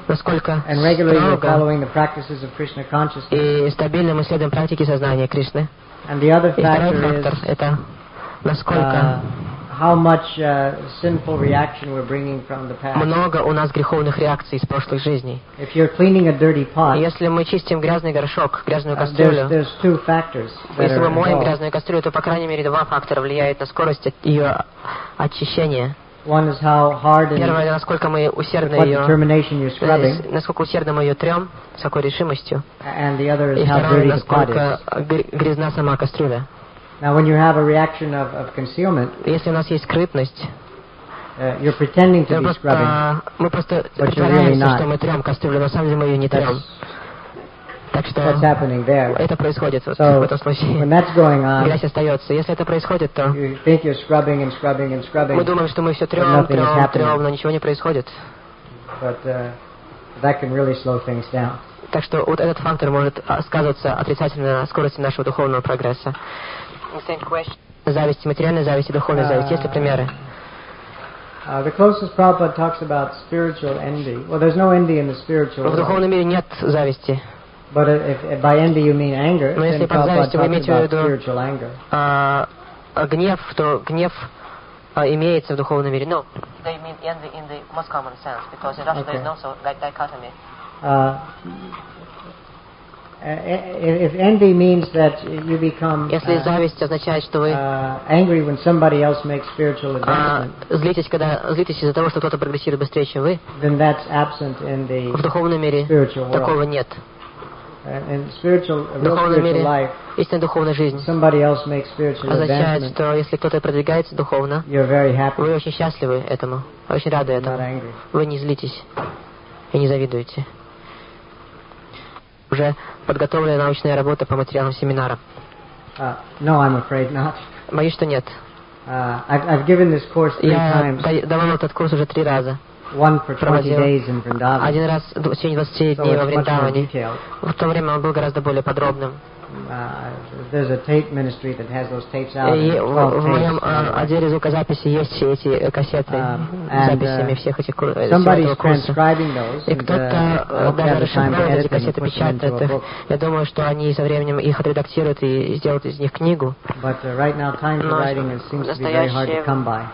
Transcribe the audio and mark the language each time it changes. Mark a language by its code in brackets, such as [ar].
[en] and regularly we're following the practices of Krishna consciousness. [ru] И стабильно мы следуем практике сознания Кришны. [en] And the other factor is how much sinful reaction we're bringing from the past. [ru] Много у нас греховных реакций из прошлых жизней. [en] If you're cleaning a dirty pot, [ru] если мы чистим грязный горшок, грязную кастрюлю, [en] there's two factors. [ru] Если мы моем грязную кастрюлю, то по крайней мере два фактора влияют на скорость ее очищения. [en] One is how hard and [ru] Первое, насколько мы усердно [en] what determination you're scrubbing. [ru] Насколько усердно мы ее трем, с какой решимостью. [en] And the other is how dirty the pot is. [ru] Насколько грязна сама кастрюля. [en] Now, when you have a reaction of concealment, [ru] если у нас есть скрытность, [en] you're pretending to be scrubbing, [ru] мы просто притворяемся, что мы трем кастрюлю, но на самом деле мы ее не трем. Так что [en] that's happening there. [ru] Это происходит [en] so, [ru] в этом случае. [en] When that's going on, [ru] грязь остается. Если это происходит, то [en] you think you're scrubbing and scrubbing and scrubbing, [ru] мы думаем, что мы все трем, трем, но ничего не происходит. [en] But, that can really slow things down. [ru] Так что вот этот фактор может сказываться отрицательно на скорости нашего духовного прогресса. Зависть, материальная зависть и духовная зависть. Есть ли примеры? [en] The closest Prabhupada talks about spiritual envy. Well, there's no envy in the spiritual world. [ru] В духовном мире нет зависти. [en] But if by envy you mean anger, then Prabhupada talks about spiritual anger. [ru] Гнев, то гнев имеется в духовном мире. [en] No, they mean envy in the most common sense, because in Russia there is no such dichotomy. If envy means that you become [ru] Если зависть означает, что вы [en] angry when somebody else makes spiritual advancement, [ru] злитесь из-за того, что кто-то прогрессирует быстрее, чем вы, [en] then that's absent in the [ru] в духовном мире [en] spiritual world. [ru] Такого нет. [en] In spiritual, [ru] в духовном мире, [en] life, [ru] истинная духовная жизнь [en] somebody else makes spiritual [ru] означает, [en] advancement, [ru] что если кто-то продвигается духовно, [en] you're very happy. [ru] Вы очень счастливы этому, очень рады этому. [en] Not angry. [ru] Вы не злитесь и не завидуете. Уже подготовленная научная работа по материалам семинара. [en] No, I'm afraid not. [ru] Боюсь, что нет. [en] I've given this course three times. [ru] Я давал этот курс уже три раза. проводил один раз в течение 20 дней во Вриндаване. В то время он был гораздо более подробным. [en] There's a tape ministry that has those tapes out. [ru] И в моем отделе звукозаписи есть все эти кассеты записями всех этих курсов. [en] Somebody's transcribing those. [ru] И кто-то даже расшифровывает эти кассеты, печатает их. Я думаю, что они со временем их отредактируют и сделают из них книгу. [en] But right now, time for writing seems to be very hard to come by.